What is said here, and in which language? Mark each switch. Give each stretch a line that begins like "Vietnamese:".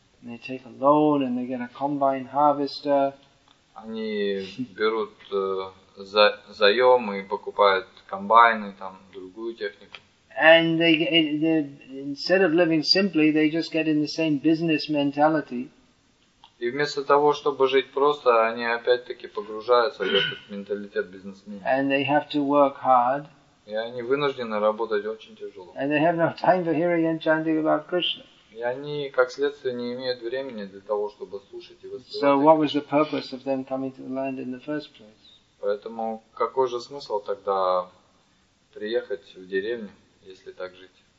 English: They take a loan and they get a combine harvester.
Russian: Они берут заем и покупают комбайны, там другую технику.
English: And they instead of living simply, they just get in the same business mentality.
Russian: И вместо того, чтобы жить просто, они опять-таки погружаются в этот менталитет бизнесмена.
English: And they have to work hard.
Russian: И они вынуждены работать очень тяжело.
English: And they have no time for hearing and chanting about Krishna.
Russian: И они, как следствие, не имеют времени для того, чтобы слушать и воспевать.
English: So what was the purpose of them coming to the land in the first place?
Russian: Поэтому какой же смысл тогда приехать в деревню, если так жить?